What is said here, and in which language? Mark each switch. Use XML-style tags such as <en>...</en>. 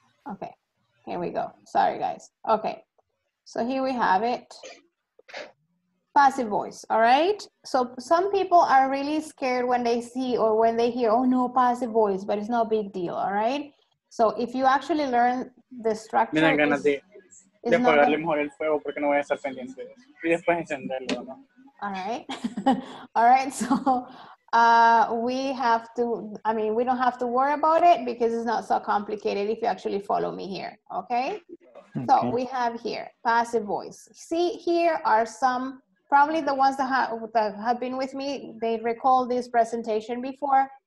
<en>Okay, here we go. Sorry, guys. Okay, so here we have it. Passive voice, all right? So some people are really scared when they see or when they hear, oh no, passive voice, but it's no big deal, all right? So if you actually learn the structure,</en> <es>me dan ganas de apagarle mejor el fuego porque no voy a estar pendiente. Y después encenderlo,</es> <en>¿no? All right. All right, so we don't have to worry about it because it's not so complicated if you actually follow me here, okay? So we have here, passive voice. See, here are some. Probably the ones that have been with me, they recall this presentation before.</en>